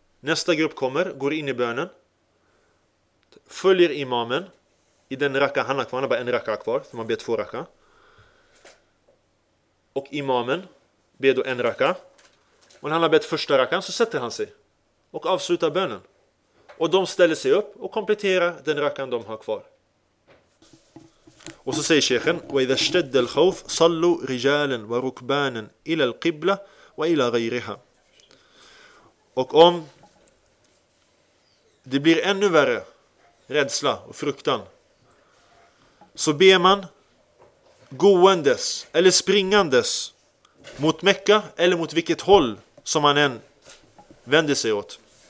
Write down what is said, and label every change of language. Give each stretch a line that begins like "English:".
Swedish: Nästa grupp kommer, går in i bönen, följer imamen i den raka han har kvar, han har bara en raka kvar, för man ber 2 raka. Och imamen ber då en raka. Och när han har bett första rakan så sätter han sig och avslutar bönen. Och de ställer sig upp och kompletterar den rakan de har kvar. Och så säger sheikhen:
Arabic: وَإِذَا اشْتَدَّ الْخَوْفُ صَلُّوا رِجَالًا وَرُكْبَانًا إِلَى الْقِبْلَةِ وَإِلَى غَيْرِهَا.
Swedish: Och om det blir ännu värre rädsla och fruktan, så ber man gåendes eller springandes mot Mekka eller mot vilket håll som man än vänder sig åt.